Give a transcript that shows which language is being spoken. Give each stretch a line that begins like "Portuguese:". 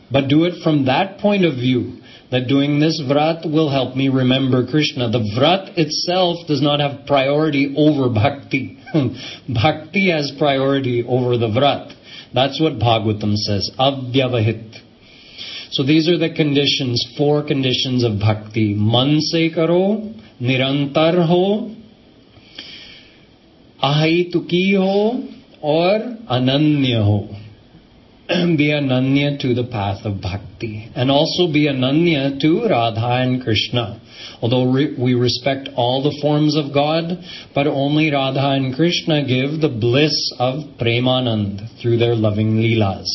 English: But do it from that point of view, that doing this vrat will help me remember Krishna. The vrat itself does not have priority over bhakti. Bhakti has priority over the vrat. That's what Bhagavatam says. Avyavahit. So these are the conditions, four conditions of bhakti.
Hindi: मन से करो, निरंतर हो, अहैतुकी हो, or अनन्य हो.
English: Be ananya to the path of bhakti. And also be ananya to Radha and Krishna. Although we respect all the forms of God, but only Radha and Krishna give the bliss of premanand through their loving leelas.